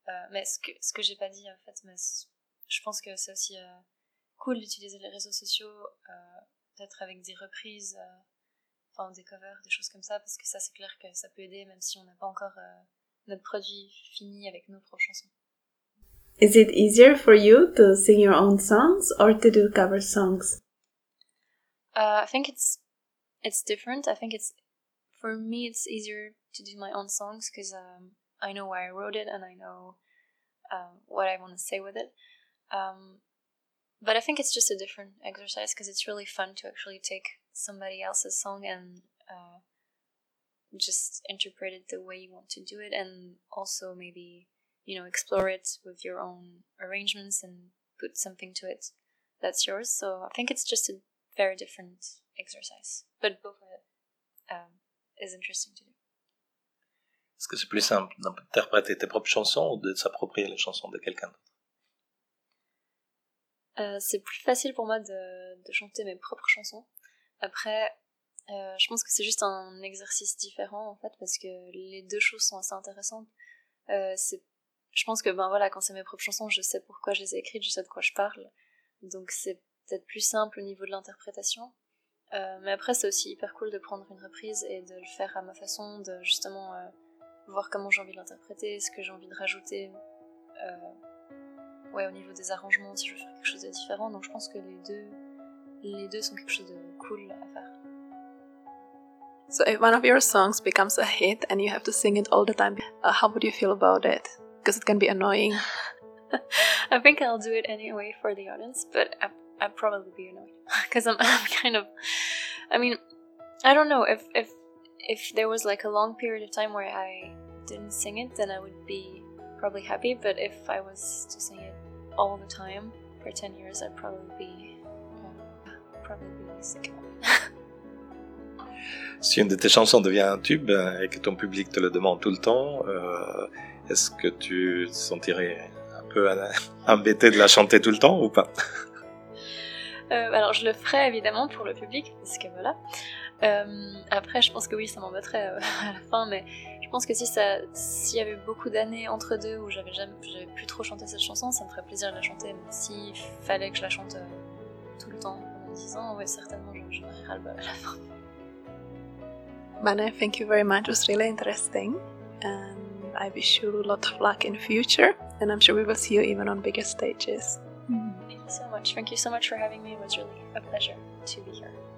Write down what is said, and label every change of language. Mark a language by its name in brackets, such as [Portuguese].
[French] Mais ce que j'ai pas dit, en fait, mais je pense que c'est aussi cool d'utiliser les réseaux sociaux, peut-être avec des reprises, des covers, des choses comme ça, parce que ça, c'est clair que ça peut aider, même si on n'a pas encore notre produit fini avec nos propres chansons. [English] Is it easier for you to sing your own songs or to do cover songs? I think it's different. I think it's, for me, it's easier to do my own songs because I know why I wrote it and I know what I want to say with it. But I think it's just a different exercise because it's really fun to actually take somebody else's song and just interpret it the way you want to do it, and also maybe, you know, explore it with your own arrangements and put something to it that's yours. So I think it's just a very different exercise, but both of it is interesting to do. [French] Est-ce que c'est plus simple d'interpréter tes propres chansons ou de s'approprier les chansons de quelqu'un d'autre? C'est plus facile pour moi de chanter mes propres chansons. Après, je pense que c'est juste un exercice différent, en fait, parce que les deux choses sont assez intéressantes. Je pense que, ben voilà, quand c'est mes propres chansons, je sais pourquoi je les ai écrites, je sais de quoi je parle. Donc c'est peut-être plus simple au niveau de l'interprétation. Mais après, c'est aussi hyper cool de prendre une reprise et de le faire à ma façon, de justement voir comment j'ai envie de l'interpréter, ce que j'ai envie de rajouter ouais, au niveau des arrangements, si je veux faire quelque chose de différent. Donc je pense que les deux sont quelque chose de cool à faire. [English] So if one of your songs becomes a hit and you have to sing it all the time, how would you feel about it? Because it can be annoying. I think I'll do it anyway for the audience, but I'd probably be annoyed. Because I'm kind of... I mean, I don't know. If there was like a long period of time where I didn't sing it, then I would be probably happy. But if I was to sing it all the time for 10 years, I'd probably be sick. [French] Si une de tes chansons devient un tube et que ton public te le demande tout le temps, est-ce que tu te sentirais un peu embêté de la chanter tout le temps ou pas? Alors je le ferai évidemment pour le public, parce que voilà. Après je pense que oui, ça m'embêterait à la fin, mais je pense que s'il y avait beaucoup d'années entre deux où j'avais plus trop chanté cette chanson, ça me ferait plaisir de la chanter, mais s'il fallait que je la chante tout le temps pendant 10 ans, ouais, certainement j'en aurais ras-le-bol à la fin. [English] Mané, thank you very much, it was really interesting, and I wish you a lot of luck in future, and I'm sure we will see you even on bigger stages. Thank you so much, thank you so much for having me, it was really a pleasure to be here.